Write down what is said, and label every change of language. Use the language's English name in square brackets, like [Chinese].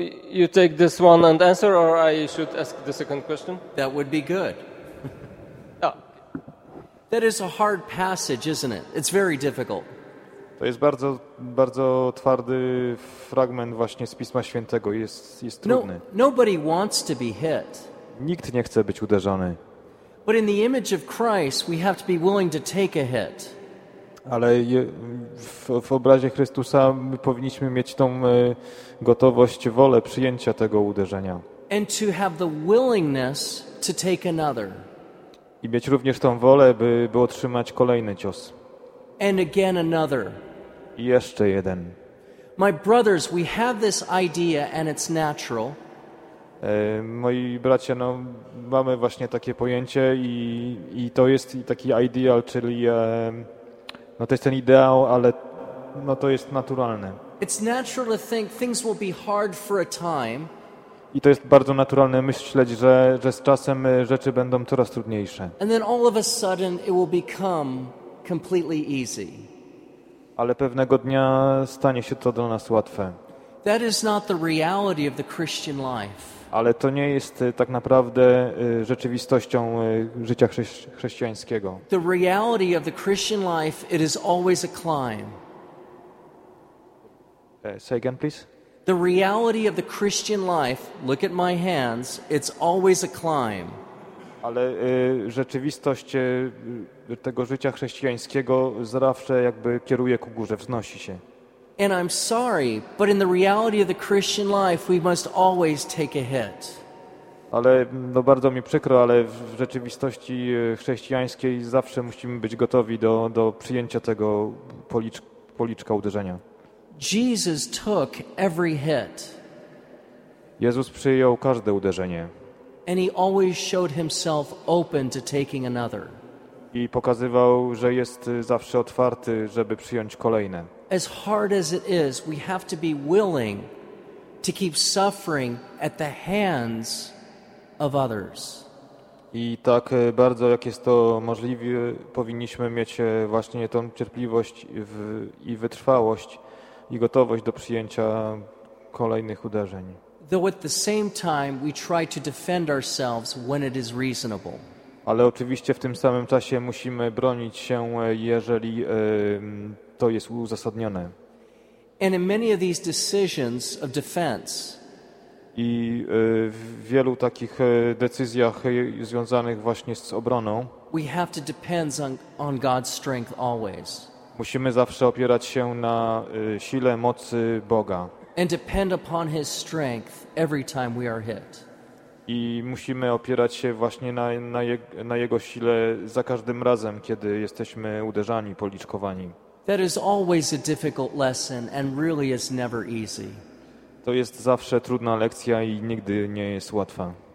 [English] You take this one and answer, or I should ask the second question? That would be good. That is a hard passage, isn't it? It's very difficult. [Polish] To jest bardzo, bardzo twardy fragment właśnie z Pisma Świętego. Jest trudny. [English] No, nobody wants to be hit. [Polish] Nikt nie chce być uderzony. [English] But in the image of Christ, we have to be willing to take a hit. [Polish] Ale w obrazie Chrystusa my powinniśmy mieć tą gotowość, wolę przyjęcia tego uderzenia. [English] And to have the willingness to take another. [Polish] I mieć również tą wolę, by otrzymać kolejny cios. [English] And again another. [Polish] I jeszcze jeden. [English] My brothers, we have this idea and it's natural. [Polish] Moi bracia, no mamy właśnie takie pojęcie i to jest taki ideal, czyli no to jest ten ideał, ale no to jest naturalne. [English] It's natural to think things will be hard for a time. [Polish] I to jest bardzo naturalne myśleć, że z czasem rzeczy będą coraz trudniejsze. [English] And then all of a sudden it will become completely easy. [Polish] Ale pewnego dnia stanie się to dla nas łatwe. [English] That is not the reality of the Christian life. [Polish] Ale to nie jest tak naprawdę rzeczywistością życia chrześcijańskiego. [English] The reality of the Christian life, it is always a climb. Say again, please. The reality of the Christian life, look at my hands, it's always a climb. [Polish] Ale rzeczywistość tego życia chrześcijańskiego zawsze jakby kieruje ku górze, wznosi się. [English] And I'm sorry, but in the reality of the Christian life, we must always take a hit. [Polish] Ale no bardzo mi przykro, ale w rzeczywistości chrześcijańskiej zawsze musimy być gotowi do przyjęcia tego policzka uderzenia. [English] Jesus took every hit. [Polish] Jezus przyjął każde uderzenie. [English] And he always showed himself open to taking another. [Polish] I pokazywał, że jest zawsze otwarty, żeby przyjąć kolejne. [English] As hard as it is, we have to be willing to keep suffering at the hands of others. [Polish] I tak bardzo, jak jest to możliwe, powinniśmy mieć właśnie tą cierpliwość i wytrwałość. I gotowość do przyjęcia kolejnych uderzeń. [English] Though at the same time we try to defend ourselves when it is reasonable. [Polish] Ale oczywiście w tym samym czasie musimy bronić się, jeżeli to jest uzasadnione. [English] And in many of these decisions of defense. [Polish] I w wielu takich decyzjach związanych właśnie z obroną. [English] We have to depend on God's strength always. [Polish] Musimy zawsze opierać się na sile mocy Boga. [English] And depend upon his strength every time we are hit. [Polish] I musimy opierać się właśnie na jego sile za każdym razem, kiedy jesteśmy uderzani, policzkowani. [English] That is always a difficult lesson and really is never easy. [Polish] To jest zawsze trudna lekcja i nigdy nie jest łatwa.